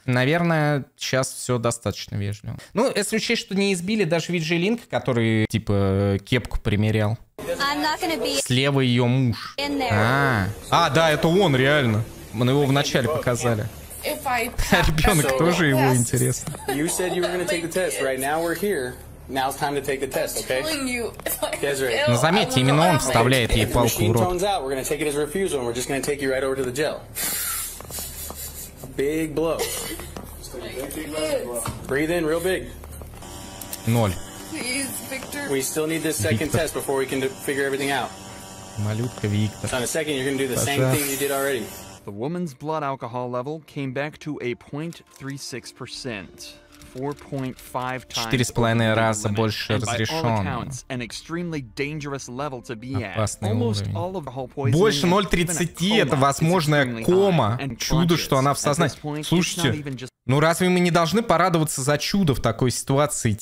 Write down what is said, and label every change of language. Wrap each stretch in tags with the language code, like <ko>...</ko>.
<ru>Наверное, сейчас все достаточно вежливо. Ну, если учесть, что не избили даже Виджи Линка, который, типа, кепку примерял. Слева ее муж. А, да, это он, реально. Мы его вначале показали. Ребенок тоже его интересно.</ru> <en>You said you were gonna take the test, right now we're here. Now it's time to take the test, okay?</en> <ru>Но заметьте, именно он вставляет ей палку в рот.</ru> <en>Out, we're gonna take it as a refusal and we're just gonna take you right over to the jail. Big blow. Breathe in real big.</en> <ru>Ноль.</ru> <en>We still need this second test before we can figure everything out.</en> <ru>Малютка Виктор.</ru> <en>On a second, you're gonna do the same thing you did already. The woman's blood alcohol level came back to a 0.36%.</en> <ru>4.5 раза больше разрешенного. Опасный уровень. Больше 0.30, это возможная кома. Чудо, что она в сознании. Слушайте, ну разве мы не должны порадоваться за чудо в такой ситуации?</ru>